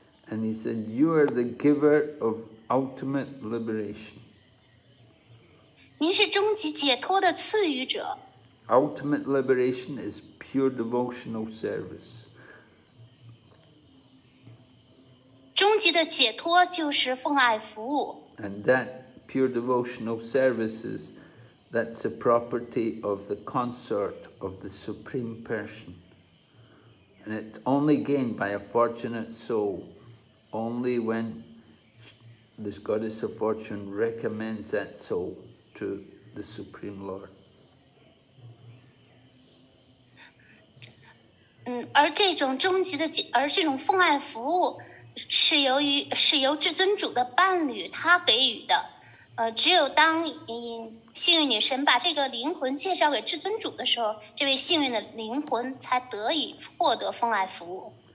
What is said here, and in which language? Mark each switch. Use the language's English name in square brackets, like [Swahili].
[English] And he said, "You are the giver of ultimate liberation." [Chinese] 您是终极解脱的赐予者。 [English] Ultimate liberation is pure devotional service. [Chinese] 终极的解脱就是奉爱服务。 [English] And that pure devotional service is, that's a property of the consort of the Supreme Person. And it's only gained by a fortunate soul, only when this Goddess of Fortune recommends that soul to the Supreme Lord. [Chinese] 而这种终极的而这种奉爱服务是由于是由至尊主的伴侣他给予的，只有当幸运女神把这个灵魂介绍给至尊主的时候，这位幸运的灵魂才得以获得奉爱服务。